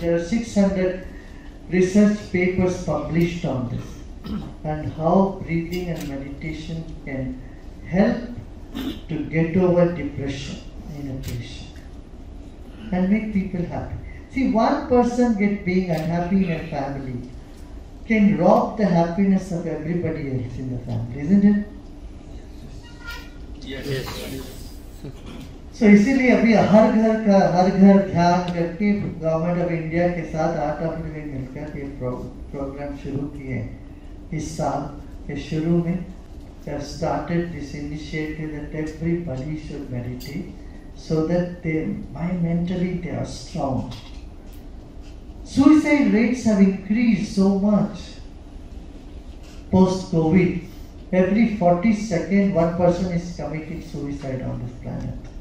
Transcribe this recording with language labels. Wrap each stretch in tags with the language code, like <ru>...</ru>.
<en>There are 600 research papers published on this and how breathing and meditation can help to get over depression in a patient and make people happy. See, one person being unhappy in a family can rob the happiness of everybody else in the family, isn't it? Yes.</en> <hi>So इसीलिए अभी हर घर ध्यान करके government of India के साथ आठ अप्रैल मिलकर ये प्रोग्राम शुरू किए इस साल के शुरू में.</hi> <en>They have started this initiative that everybody should meditate so that they mind mentally they are strong. Suicide rates have increased so much post-COVID. Every 40 seconds, one person is committing suicide on this planet.</en>